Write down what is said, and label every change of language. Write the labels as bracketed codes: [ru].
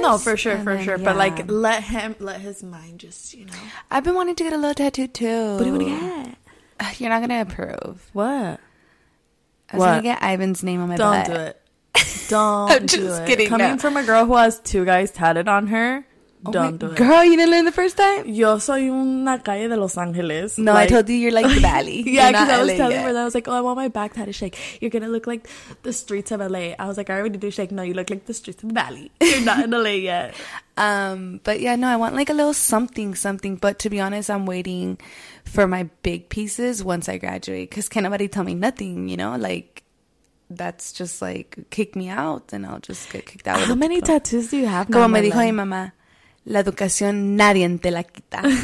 [en] No, for sure, for then, sure. Yeah. But, like, let him, let his mind just, you know. I've been wanting to get a little tattoo, too. What do you want to get? You're not gonna approve. What? I was going to get Ivan's name on my don't butt. Don't do it. Don't do it. I'm just kidding. Coming from a girl who has two guys tatted on her, don't do it. Girl, you didn't learn the first time? [es] Yo soy una calle de Los Angeles. [en] No, like, I told you, you're like the valley. Yeah, because I was telling her that. I was like, oh, I want my back tatted. She's like, you're going to look like the streets of LA. I was like, I already do. She's like, no, you look like the streets of the valley. You're not in LA yet. But yeah, no, I want like a little something. But to be honest, I'm waiting for my big pieces once I graduate, because can't nobody tell me nothing, you know, like that's just like kick me out and I'll just get kicked out. How many tattoos do you have? [es] Como me dijo mi mamá, la educación nadie te la quita.